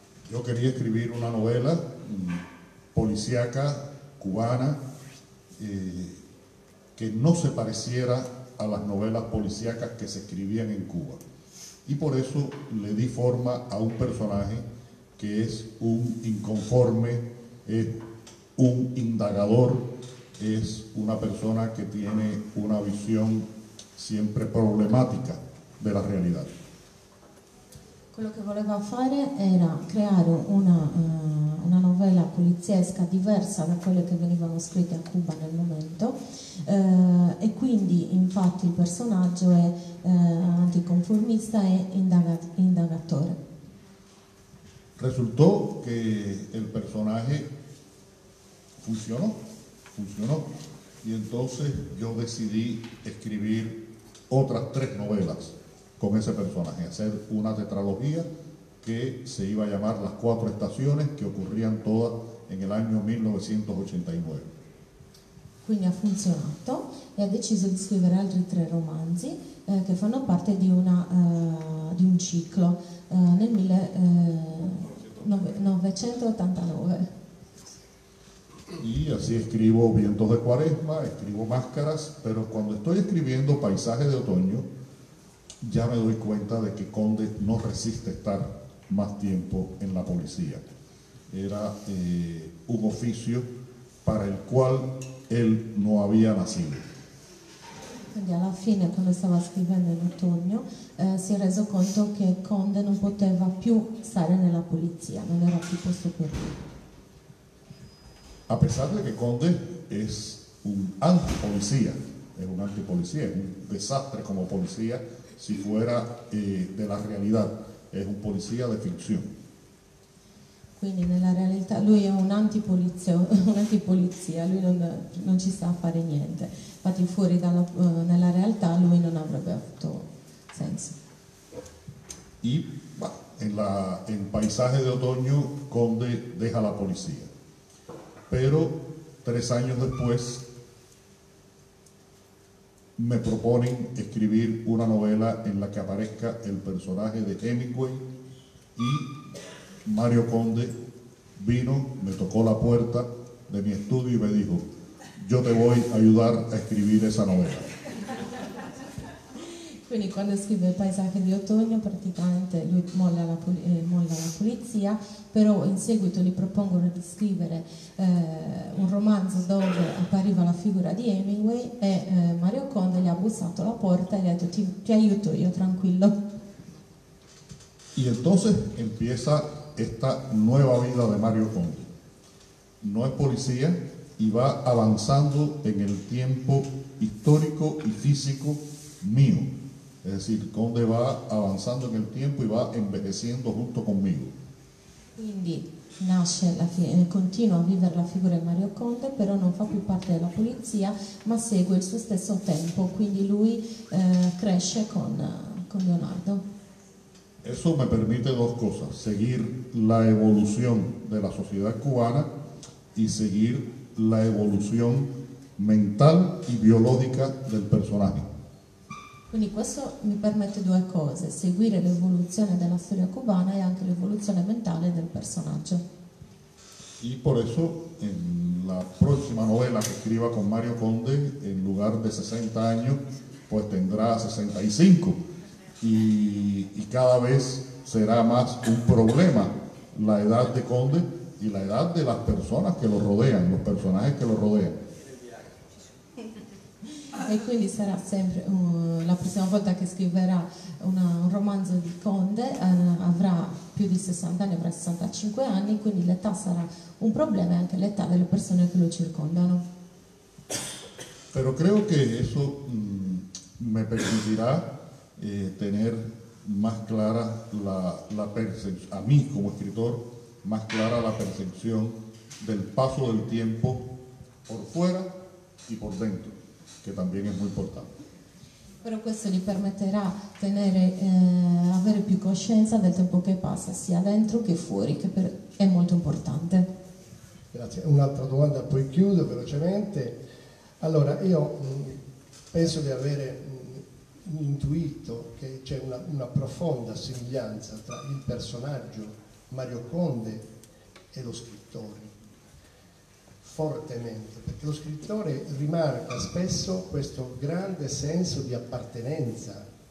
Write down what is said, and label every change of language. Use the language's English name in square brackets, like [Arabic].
[Spanish] Io queria scrivere una novela policiaca cubana che non se pareciera a las novelas policiacas che se scrivían in Cuba. E por eso le di forma a un personaje che è un inconforme. Es un indagador, es una persona que tiene una visión siempre problemática de la realidad. [Italian] Quello che voleva fare era creare una novella poliziesca diversa da quelle che venivano scritte a Cuba nel momento e quindi infatti il personaggio è anticonformista e indagatore. [Spanish] Resultó que el personaje funcionó, funcionó. Y entonces yo decidí escribir otras 3 novelas con ese personaje, hacer una tetralogía que se iba a llamar Las 4 estaciones, que ocurrían todas en el año 1989. [Italian] Quindi ha funzionato e ha deciso di scrivere altri 3 romanzi che fanno parte di una di un ciclo nel 1989. [Spanish] Y así escribo Vientos de Cuaresma, escribo Máscaras, pero cuando estoy escribiendo Paisajes de Otoño, ya me doy cuenta de que Conde no resiste estar más tiempo en la policía. Era un oficio para el cual él no había nacido. [Italian] Quindi alla fine, quando stava scrivendo in Otoño, si è reso conto che Conde non poteva più stare nella polizia, non era più posto per lui. [Spanish] A pesar de que Conde es un antipolicía, es un antipolicía, es un desastre como policía si fuera de la realidad, es un policía de ficción. [Italian] Quindi nella realtà lui è un antipolizia, lui non ci sta a fare niente. Infatti fuori nella realtà lui non avrebbe avuto senso. [Spanish] Y bueno, en Paisaje de Otoño Conde deja la policía. Pero 3 años después me proponen escribir una novela en la que aparezca el personaje de Hemingway y Mario Conde vino, me tocó la puerta de mi estudio y me dijo, yo te voy a ayudar a escribir esa novela. [Italian] Quindi quando scrive Paesaggi di Otoño praticamente lui molla la polizia, però in seguito gli propongono di scrivere un romanzo dove appariva la figura di Hemingway e Mario Conde gli ha bussato la porta e gli ha detto ti aiuto io, tranquillo. [Spanish] Y entonces empieza esta nueva vida de Mario Conde. No es policía y va avanzando en el tiempo histórico y físico mío. Es decir, Conde va avanzando en el tiempo y va envejeciendo junto conmigo. [Italian] Quindi nasce continua a vivere la figura di Mario Conde, però non fa più parte della polizia, ma segue il suo stesso tempo, quindi lui cresce con Leonardo. [Spanish] Eso me permite 2 cosas: seguir la evolución de la sociedad cubana y seguir la evolución mental y biológica del personaje. [Italian] Quindi questo mi permette 2 cose, seguire l'evoluzione della storia cubana e anche l'evoluzione mentale del personaggio. [Spanish] Y por eso en la próxima novela que escriba con Mario Conde, en lugar de 60 años, pues tendrá 65 y cada vez será más un problema la edad de Conde y la edad de las personas que lo rodean, los personajes que lo rodean. [Italian] e quindi sarà sempre la prossima volta che scriverà un romanzo di Conde, avrà più di 60 anni, avrà 65 anni, quindi l'età sarà un problema e anche l'età delle persone che lo circondano. [Spanish] Pero creo que eso me permitirá tener más clara la percepción, a mí como escritor, más clara la percepción del paso del tiempo por fuera y por dentro, que también es muy importante. Pero esto le permitirá tener, [Italian] avere più coscienza del tempo che passa, sia dentro che fuori, che è molto importante. Grazie. Un'altra domanda, poi chiudo velocemente. Allora, io penso di avere intuito che c'è una profonda somiglianza tra il personaggio Mario Conde e lo scrittore, fortemente, perché lo scrittore rimarca spesso questo grande senso di appartenenza.